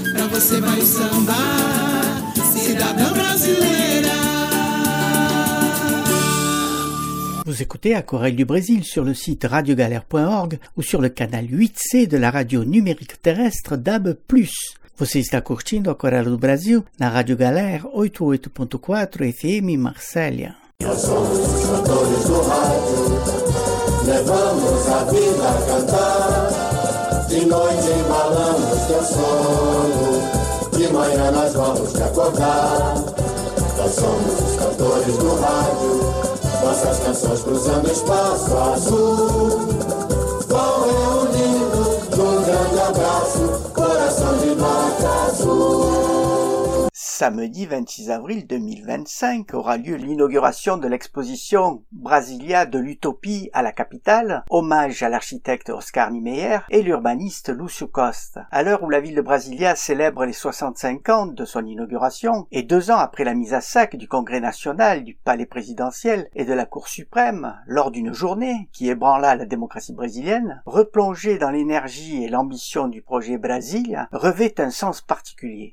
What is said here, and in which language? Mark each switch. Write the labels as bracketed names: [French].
[Portuguese] Você vai samba, cidadã brasileira. [French] Vous écoutez à Corée du Brésil sur le site radiogalère.org ou sur le canal 8C de la radio numérique terrestre DAB+. [Portuguese] Você está curtindo a Corée do Brasil na Rádio Galère 88.4 FM Marselha. Levamos a vida a cantar. De noite embalamos teu sono. De manhã nós vamos te acordar. Nós somos os cantores do rádio. Nossas canções cruzando espaço azul. Vão reunindo num grande abraço. Coração de vaca azul. [French] Samedi 26 avril 2025 aura lieu l'inauguration de l'exposition Brasilia de l'Utopie à la capitale, hommage à l'architecte Oscar Niemeyer et l'urbaniste Lúcio Costa. À l'heure où la ville de Brasilia célèbre les 65 ans de son inauguration, et deux ans après la mise à sac du Congrès national, du Palais présidentiel et de la Cour suprême, lors d'une journée qui ébranla la démocratie brésilienne, replonger dans l'énergie et l'ambition du projet Brasilia revêt un sens particulier.